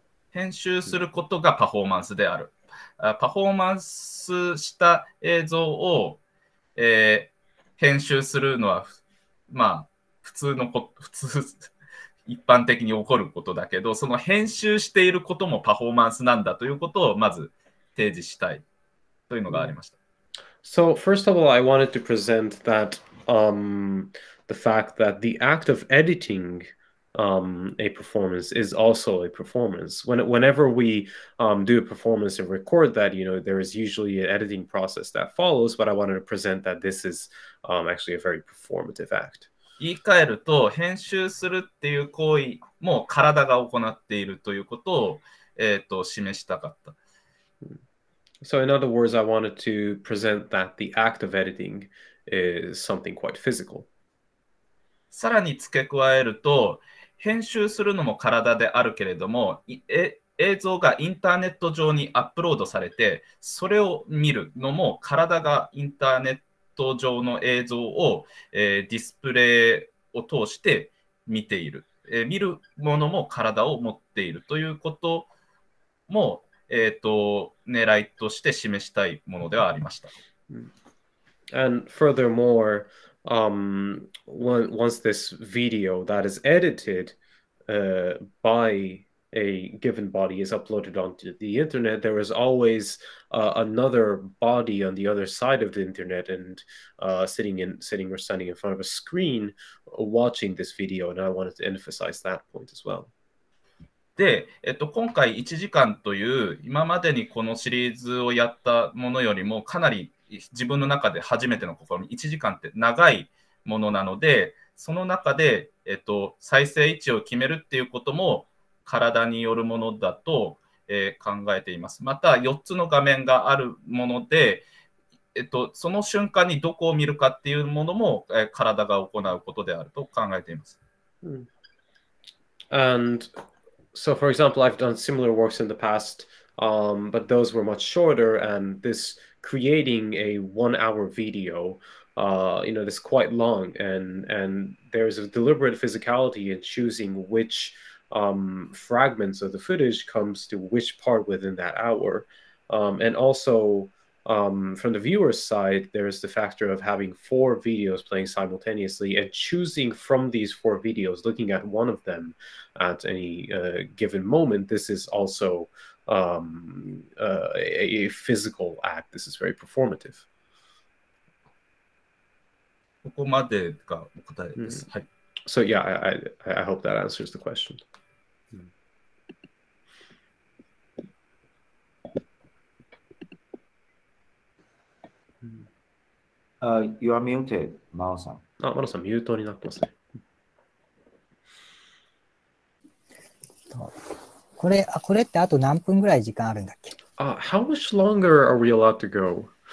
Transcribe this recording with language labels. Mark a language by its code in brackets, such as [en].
[ja] 編集することがパフォーマンスである。パフォーマンスした映像を、編集するのは、まあ、普通のこと、普通、一般的に起こることだけど、その編集していることもパフォーマンスなんだということをまず提示したいというのがありました。 [en] So, first of all, I wanted to present that, the fact that the act of editing, a performance is also a performance. Whenever we, do a performance and record that, you know, there is usually an editing process that follows, but I wanted to present that this is, actually a very performative act. [ja] 言い換えると、編集するっていう行為も体が行っているということを、示したかった。 [en] So in other words, I wanted to present that the act of editing is something quite physical. [ja] さらに付け加えると、編集するのも体であるけれども、映像がインターネット上にアップロードされて、それを見るのも体がインターネット上の映像を、ディスプレイを通して見ている、見るものも体を持っているということも、狙いとして示したいものではありました。 [en] And furthermore,once this video that is edited by a given body is uploaded onto the internet, there is always another body on the other side of the internet and sitting or standing in front of a screen watching this video. And I wanted to emphasize that point as well. [ja] で、今回1時間という今までにこのシリーズをやったものよりもかなり自分の中で初めての試み、1時間って長いものなので、その中で、再生位置を決めるっていうことも体によるものだと、考えています。また4つの画面があるもので、その瞬間にどこを見るかっていうものも、体が行うことであると考えています。 [en] And so, for example, I've done similar works in the past, but those were much shorter, and this. Creating a one-hour video, you know, that's quite long, and there is a deliberate physicality in choosing which fragments of the footage comes to which part within that hour, and also from the viewer's side, there is the factor of having four videos playing simultaneously and choosing from these four videos, looking at one of them at any given moment. This is also. A physical act. This is very performative. [ja] ここまでがお答えです。はい。 [en] So yeah, I hope that answers the question. You are muted, Mao さん。 [ja] あ、Mao さん、ミュートになってますね。これってあと何分ぐらい時間あるんだっけ？ [en] How much longer are we allowed to go?